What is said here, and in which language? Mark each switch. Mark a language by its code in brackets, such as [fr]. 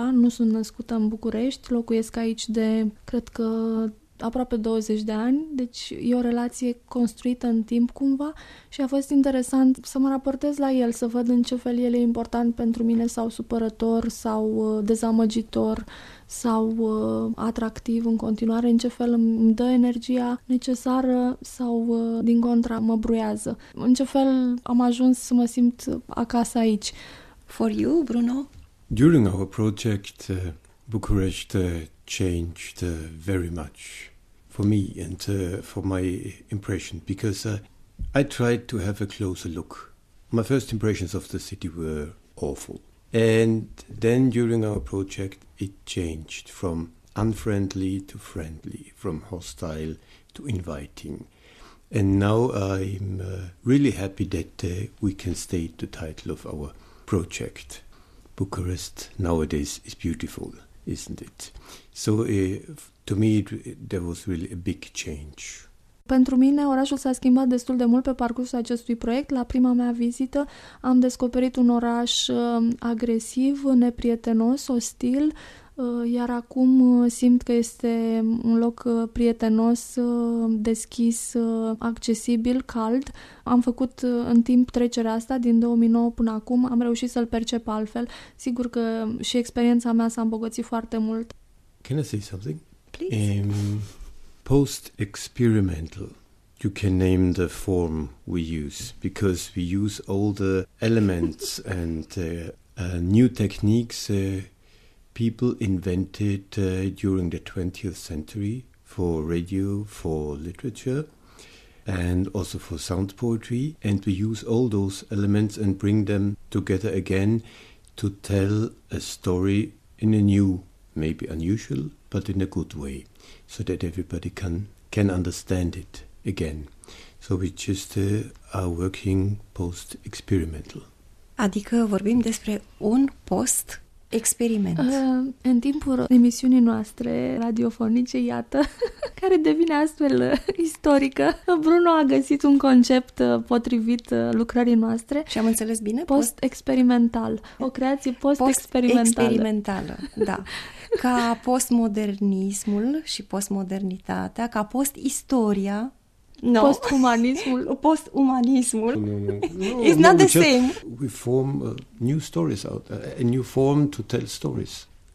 [ro] Nu sunt născută în București, locuiesc aici de, cred că, aproape 20 de ani, deci e o relație construită în timp cumva și a fost interesant să mă raportez la el, să văd în ce fel el e important pentru mine sau supărător sau dezamăgitor sau atractiv în continuare, în ce fel îmi dă energia necesară sau din contra mă bruiază. În ce fel am ajuns să mă simt acasă aici. [en] For you, Bruno? During our project, Bucharest changed very much for me and for my impression, because I tried to have a closer look. My first impressions of the city were awful. And then during our project, it changed from unfriendly to friendly, from hostile to inviting. And now I'm really happy that we can state the title of our project. Bucharest nowadays is beautiful, isn't it? So to me, there was really a big change. [ro] Pentru mine, orașul s-a schimbat destul de mult pe parcursul acestui proiect. La prima mea vizită am descoperit un oraș agresiv, neprietenos, ostil, iar acum simt că este un loc prietenos, deschis, accesibil, cald. Am făcut în timp trecerea asta, din 2009 până acum, am reușit să-l percep altfel. Sigur că și experiența mea s-a îmbogățit foarte mult. [en] Can I say something? Please. Post-experimental, you can name the form we use, because we use all the elements and new techniques people invented during the 20th century for radio, for literature, and also for sound poetry. And we use all those elements and bring them together again to tell a story in a new, maybe unusual, but in a good way, so that everybody can understand it again. So we just are working post-experimental. [ro] Adică vorbim despre un post-experiment. În timpul emisiunii noastre radiofonice, iată, care devine astfel istorică, Bruno a găsit un concept potrivit lucrării noastre. Și am înțeles bine? Post-experimental. O creație post-experimentală. Post-experimentală, da. Ca postmodernismul și postmodernitatea, ca post-istoria. No. Post-umanismul. Post-umanismul. [en] No. It's not the same. We form new stories out, a new form to tell stories.